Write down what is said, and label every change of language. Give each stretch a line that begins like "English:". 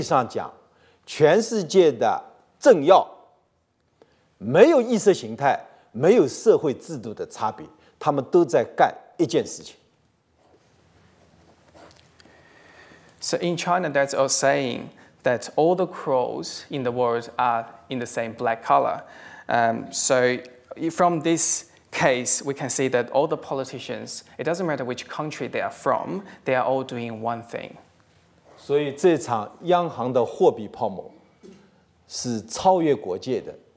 Chinese: 中国有一句古话说天下乌鸦一般黑。所以从这个意义上讲，全世界的政要 没有意识形态，没有社会制度的差别，他们都在干一件事情。
English: So in China, that's all saying that all the crows in the world are in the same black color. So from this case, we can see that all the politicians, it doesn't matter which country they are from, they are all doing one thing.
Chinese: 所以这场央行的货币泡沫是超越国界的。